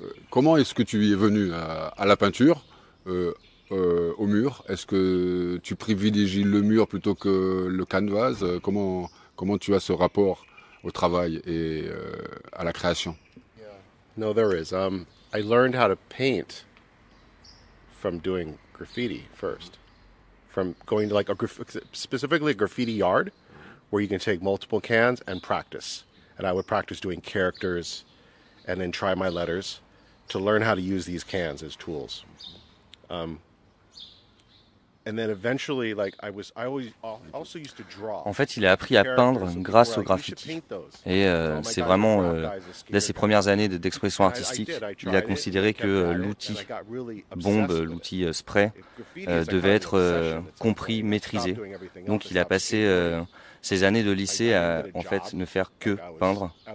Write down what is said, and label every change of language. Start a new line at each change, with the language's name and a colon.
French: Comment est-ce que tu es venu à la peinture, au mur? Est-ce que tu privilégies le mur plutôt que le canvas? Comment tu as ce rapport au travail et à la création?
English: No, there is. I learned how to paint from doing graffiti first. From going to like a specifically a graffiti yard, where you can take multiple cans and practice. And I would practice doing characters, and then try my letters, to learn how to use these cans as tools. And then eventually, like I also used to draw.
French: En fait, il a appris à peindre grâce au graffiti. Et c'est vraiment dès ses premières années d'expression artistique, il a considéré que l'outil bombe, l'outil spray, devait être compris, maîtrisé. Donc, il a passé ses années de lycée à en fait ne faire que peindre.